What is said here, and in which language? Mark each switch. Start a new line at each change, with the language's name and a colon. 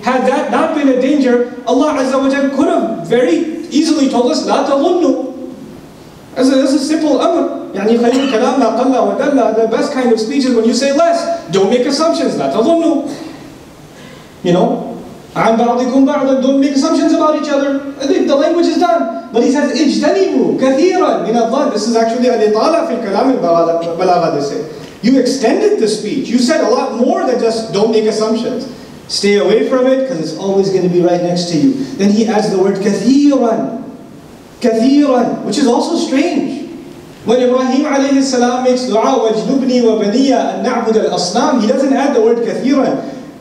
English: Had that not been a danger, Allah Azza wa Jalla could have very easily told us,
Arabic: لَا تَظُنُّ.
English: That's a simple amr.
Arabic: يعني خَيْرُ كَلَامَ قَلَّ وَدَلَّ.
English: The best kind of speech is when you say less. Don't make assumptions.
Arabic: لَا تَظُنُّ.
English: You know?
Arabic: عَنْ بَعْضِكُمْ بَعْضًا.
English: Don't make assumptions about each other. The language is done. But he says,
Arabic: اجتنبوا كثيرا من الله.
English: This is actually
Arabic: الإطالة في الكلام البلاغة.
English: They say, you extended the speech. You said a lot more than just don't make assumptions. Stay away from it because it's always going to be right next to you. Then he adds the word كثيرا. كثيرا. Which is also strange. When Ibrahim alayhi salam makes dua,
Arabic: وَاجْنُبْنِي وَبَنِيَّ أَن نَعْبُدَ الْأَصْنَامِ,
English: he doesn't add the word كَثِيرًا.